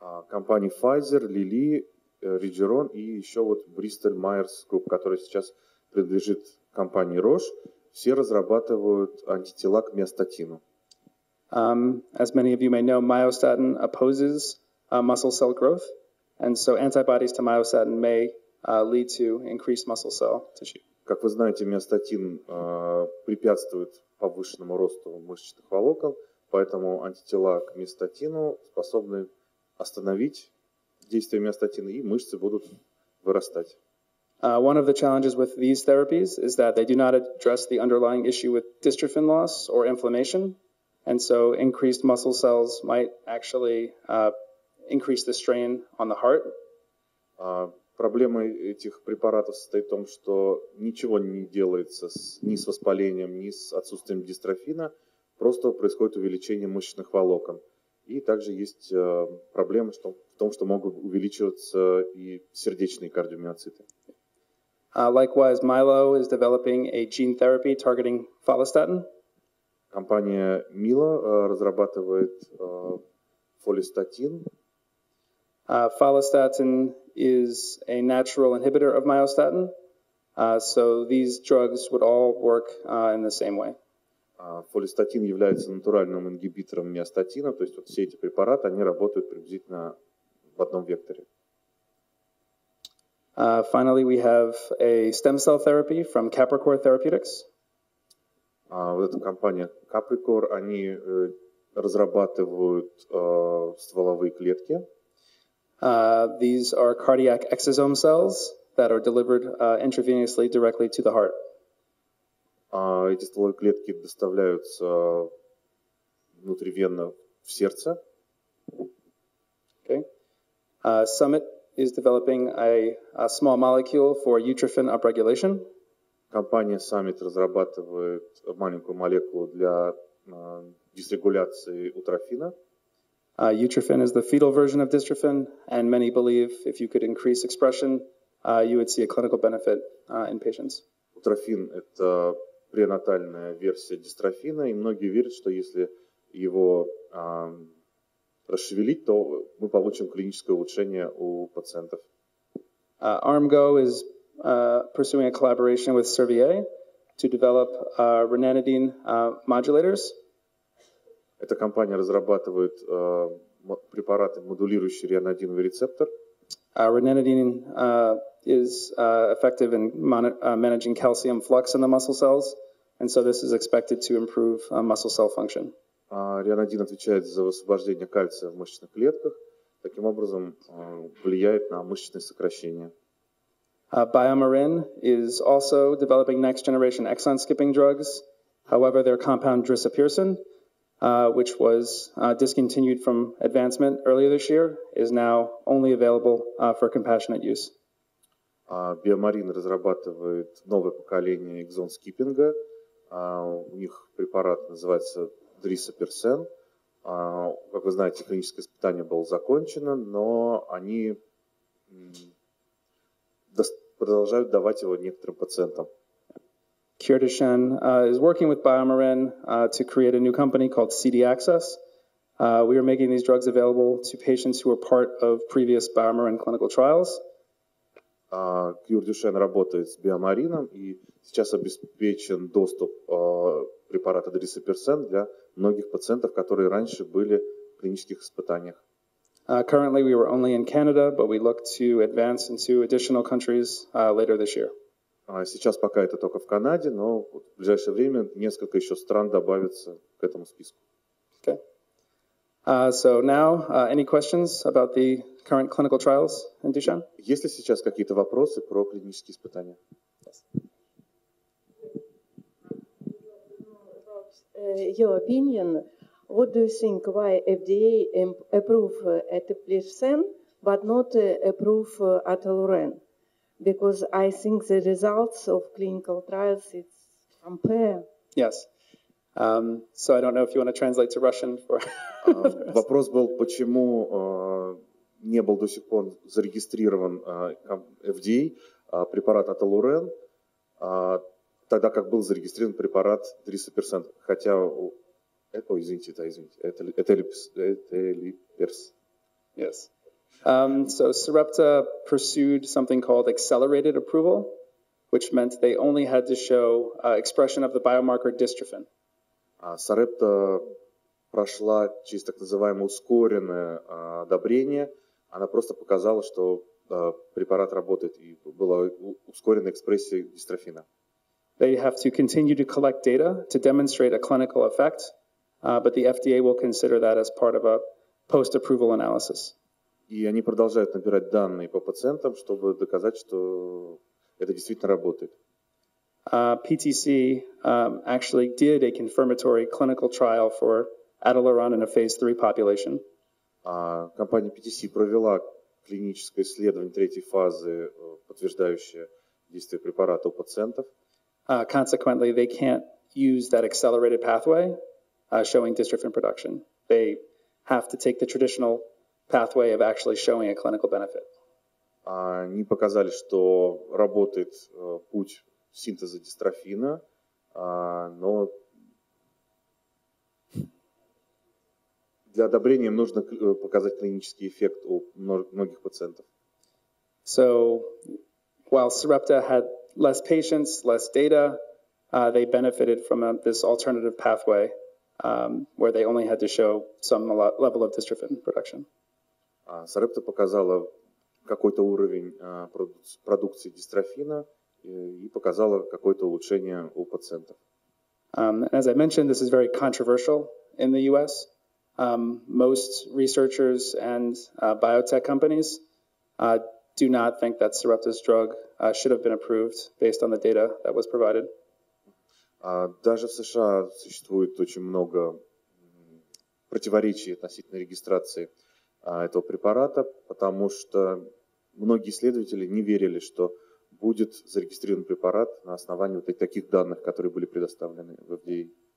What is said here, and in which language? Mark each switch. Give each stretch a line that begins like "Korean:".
Russian: Компании Pfizer, Lilly, Regeneron и еще вот Bristol Myers Group, который сейчас принадлежит компании Roche, все разрабатывают антитела к миостатину.
English: As many of you may know, myostatin opposes muscle cell growth, and so antibodies to myostatin may lead to increased muscle cell tissue.
Russian: Как вы знаете, миостатин препятствует повышенному росту мышечных волокон, поэтому антитела к миостатину способны остановить действия миостатина, и мышцы будут вырастать.
English: One of the challenges with these therapies is that they do not address the underlying issue with dystrophin loss or inflammation, and so increased muscle cells might actually increase the strain on the heart.
Russian: Проблема этих препаратов состоит в том, что ничего не делается ни с воспалением, ни с отсутствием дистрофина, просто происходит увеличение мышечных волокон. И также есть проблема в том, что могут увеличиваться и сердечные кардиомиоциты.
English: Likewise, Milo is developing a gene therapy targeting follistatin.
Russian: Компания Milo разрабатывает фоллистатин.
English: Follistatin is a natural inhibitor of myostatin, so these drugs would all work in the same way.
Russian: Фоллистатин является натуральным ингибитором миостатина, то есть вот все эти препараты, они работают приблизительно в одном векторе.
English: Finally, we have a stem cell therapy from Capricor Therapeutics.
Russian: Вот эта компания Capricor, они разрабатывают стволовые клетки.
English: These are cardiac exosome cells that are delivered intravenously directly to the heart.
Russian: Эти стволовые клетки доставляются внутривенно в сердце.
English: Okay. Summit is developing a small molecule for utrophin upregulation.
Russian: Компания Summit разрабатывает маленькую молекулу для дисрегуляции утрофина.
English: Utrophin is the fetal version of dystrophin, and many believe if you could increase expression, you would see a clinical benefit in patients.
Russian: Утрофин – это пренатальная версия дистрофина, и многие верят, что если его расшевелить, то мы получим клиническое улучшение у пациентов.
English: ARMGO is pursuing a collaboration with Servier to develop renanidine modulators.
Russian: Эта компания разрабатывает препараты, модулирующие ренадиновый рецептор.
English: Ренадин is effective in managing calcium flux in the muscle cells, and so this is expected to improve muscle cell function.
Russian: Ренадин отвечает за высвобождение кальция в мышечных клетках, таким образом влияет на мышечные сокращения.
English: Biomarin is also developing next generation exon skipping drugs. However, their compound drisapersen, which was discontinued from advancement earlier this year, is now only available for compassionate use.
Russian: Biomarin разрабатывает новое поколение экзон-скиппинга. У них препарат называется Drisapersen. Как вы знаете, клиническое испытание было закончено, но они продолжают давать его некоторым пациентам.
English: Cure Duchenne is working with Biomarin to create a new company called CD Access. We are making these drugs available to patients who are part of previous Biomarin clinical trials.
Russian: Cure Duchenne работает с Biomarin, и сейчас обеспечен доступ препарата Drisapersen для многих пациентов, которые раньше были в клинических испытаниях.
English: Currently, we were only in Canada, but we look to advance into additional countries later this year.
Russian: Сейчас пока это только в Канаде, но вот в ближайшее время несколько еще стран добавится к этому списку.
English: Okay. So now, any questions about the current clinical trials in Duchenne?
Russian: Есть ли сейчас какие-то вопросы про клинические испытания?
English: Yes. Your opinion, what do you think, why FDA approve eteplirsen, but not approve ataluren? Because I think the results of clinical trials, it's unfair. Yes. So I don't know if you want to translate to Russian.
Russian: Вопрос был, почему не был до сих пор зарегистрирован FDA препарат Аталурен, тогда как был зарегистрирован препарат Drisapersen, хотя, Eteplirsen.
English: Yes. So Sarepta pursued something called accelerated approval, which meant they only had to show expression of the biomarker dystrophin.
Russian: Sarepta прошла через так называемое ускоренное одобрение. Она просто показала, что препарат работает, и была ускоренная экспрессия дистрофина.
English: They have to continue to collect data to demonstrate a clinical effect, but the FDA will consider that as part of a post-approval analysis.
Russian: И они продолжают набирать данные по пациентам, чтобы доказать, что это действительно работает.
English: PTC actually did a confirmatory clinical trial for Adalimumab in a phase 3 population.
Russian: Компания PTC провела клиническое исследование третьей фазы, подтверждающее действие препарата у пациентов.
English: Consequently, they can't use that accelerated pathway showing dystrophin production. They have to take the traditional pathway of actually showing a clinical benefit.
Russian: Они показали, что работает путь синтеза дистрофина, но для одобрения нужно показать клинический эффект у многих пациентов.
English: So, while Sarepta had less patients, less data, they benefited from this alternative pathway, where they only had to show some level of dystrophin production.
Russian: Sarepta показала какой-то уровень продукции дистрофина и показала какое-то улучшение у пациентов.
English: As I mentioned, this is very controversial in the U.S. Most researchers and biotech companies do not think that Sarepta's drug should have been approved based on the data that was provided.
Russian: Даже в США существует очень много противоречий относительно регистрации этого препарата, потому что многие исследователи не верили, что будет зарегистрирован препарат на основании вот таких данных, которые были предоставлены в FDA.